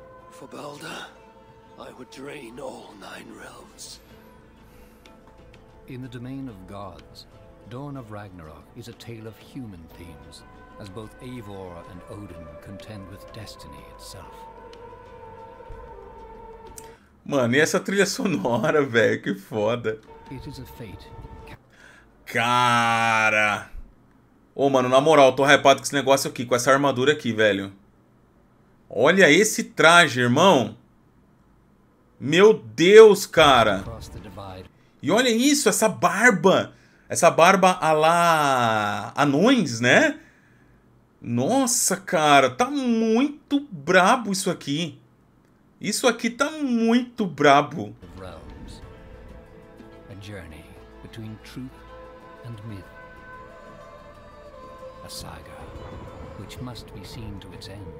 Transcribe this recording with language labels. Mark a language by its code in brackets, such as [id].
[en] For Baldur, I would drain all nine realms. In the domain of gods, Dawn of Ragnarok is a tale of human themes. As both Eivor and Odin contend with destiny itself. [pt] Mano, e essa trilha sonora, velho? Que foda. [en] It is a fate. [pt] Cara! Ô, mano, na moral, tô hypado com esse negócio aqui, com essa armadura aqui, velho. Olha esse traje, irmão! Meu Deus, cara! E olha isso, essa barba! Essa barba a la anões, né? Nossa, cara, tá muito brabo isso aqui. Isso aqui tá muito brabo. [en] A journey between truth and myth. A saga which must be seen to its end.